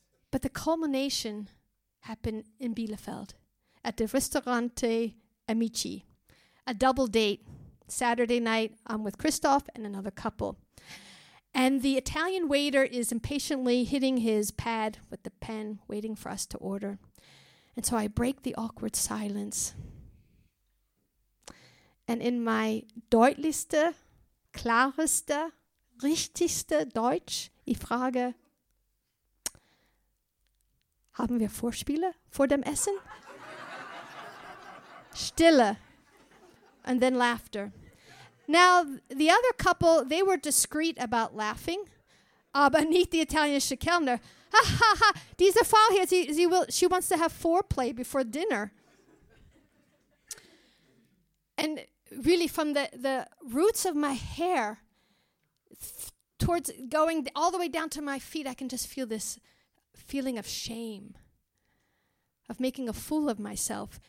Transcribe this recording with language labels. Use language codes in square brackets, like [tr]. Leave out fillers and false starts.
[en] But the culmination happened in Bielefeld at the Ristorante Amici. A double date. Saturday night, I'm with Christoph and another couple. And the Italian waiter is impatiently hitting his pad with the pen, waiting for us to order. And so I break the awkward silence. And in my [de] deutlichste, klareste, richtigste Deutsch, ich frage, haben wir Vorspiele vor dem Essen? Stille. [en] And then laughter. Now, the other couple, they were discreet about laughing. [de] Aber nicht die italienische Kellner. Ha, ha, ha. Diese Frau hier, [en] she wants to have foreplay before dinner. And really, from the roots of my hair towards going all the way down to my feet, I can just feel this feeling of shame, of making a fool of myself.